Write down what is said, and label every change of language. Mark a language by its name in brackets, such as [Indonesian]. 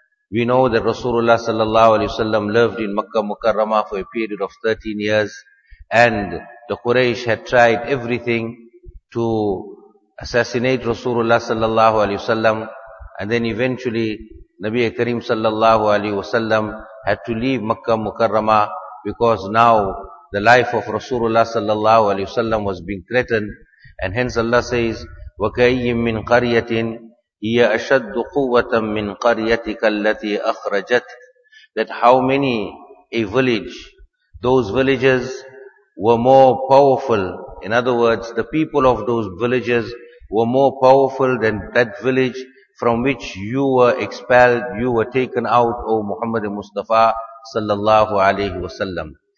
[English] We know that Rasulullah sallallahu alayhi wa sallam lived in Makkah Mukarramah for a period of 13 years, and the Quraysh had tried everything to assassinate Rasulullah sallallahu alayhi wa sallam, and then eventually Nabi Karim sallallahu alayhi wa sallam had to leave Makkah Mukarramah because now the life of Rasulullah sallallahu alayhi wa sallam was being threatened. And hence Allah says, [Arabic] وَكَيِّمْ مِنْ قَرْيَةٍ هِيَ أَشَدُّ قُوَّةً مِنْ قَرْيَتِكَ الَّتِي أَخْرَجَتْكَ. [English] That how many a village, those villages were more powerful. In other words, the people of those villages were more powerful than that village from which you were expelled, you were taken out, O Muhammad Mustafa sallallahu alayhi wa sallam.